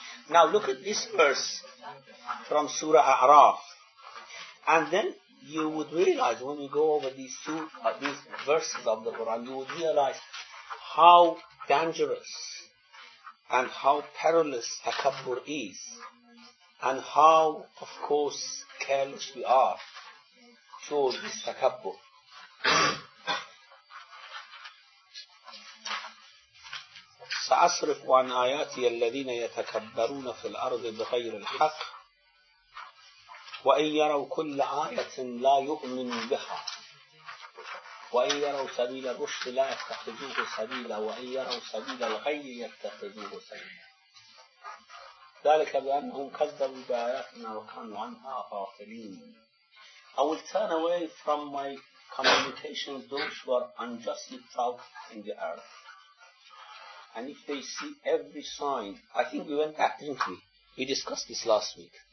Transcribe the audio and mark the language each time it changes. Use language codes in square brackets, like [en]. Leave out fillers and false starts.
[en] Now look at this verse from Surah A'raf, and then you would realize when you go over these verses of the Quran, you would realize how dangerous and how perilous takabbur is, and how, of course, careless we are towards this takabbur. [ar] سأصرف عن آياتي الذين يتكبرون في الأرض بغير الحق وإن يروا كل آية لا يؤمن بها وإن يروا سبيل الرشد لا يتخذوه سبيلا وإن يروا سبيل الغي يتخذوه سبيلا ذلك بأنهم كذبوا بآياتنا وكانوا عنها غافلين. [en] I will turn away from my communication with those who are unjustly proud in the earth. And if they see every sign, I think we went back, didn't we? We discussed this last week.